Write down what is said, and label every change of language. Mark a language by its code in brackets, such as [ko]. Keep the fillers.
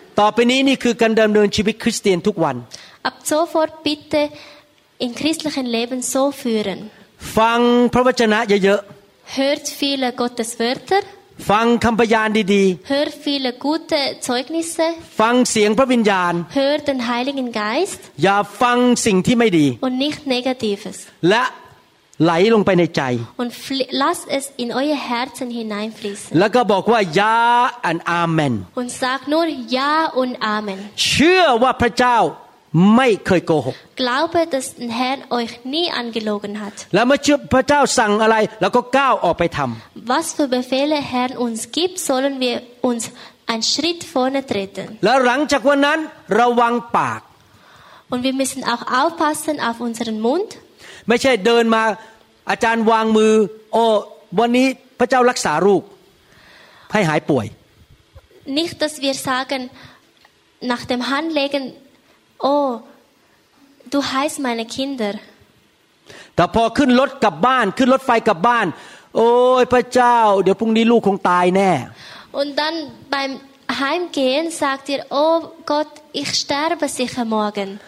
[th] ต่อไปนี้นี่คือการดำเนินชีวิตคริสเตียนทุกวัน [de] Ab sofort bitte in christlichen Leben so führen. [th] ฟังพระวจนะเยอะๆ [de] Hört viele Gottes Wörter. [th] ฟังคำพยานดี [de] ๆ Hört viele gute Zeugnisse. [th] ฟังเสียงพระวิญญาณ [de] Hört den Heiligen Geist. [th] อย่าฟังสิ่งที่ไม่ดี [de] Und nicht Negatives. [th] และไหลลงไปในใจ [de] Und lass es in euer Herzen hineinfließen. [th] แล้วก็บอกว่า [de] Ja und Amen. Und sag nur Ja und Amen. [th] เชื่อว่าพระเจ้าไม่เคยโกหก [de] glaube dass ein Herr euch nie angelogen hat [th] แล้วเมื่อพระเจ้าสั่งอะไรเราก็ก้าวออกไปทำ [de] was für Befehle Herr uns gibt sollen wir uns einen Schritt vorne treten [th] แล้วหลังจากวันนั้นระวังปาก [de] und wir müssen auch aufpassen auf unseren Mund [th] ไม่ใช่เดินมาอาจารย์วางมือโอ้วันนี้พระเจ้ารักษาลูกให้หายป่วย [de] nicht dass wir sagen nach dem Handlegen Oh, du heißt meine Kinder. [th] Da พอขึ้นรถกลับบ้านขึ้นรถไฟกลับบ้านโอ้ยพระเจ้าเดี๋ยวพรุ่งนี้ลูกคงตายแน่ [de] Und dann beim Heimgehen sagt ihr oh Gott ich sterbe sicher morgen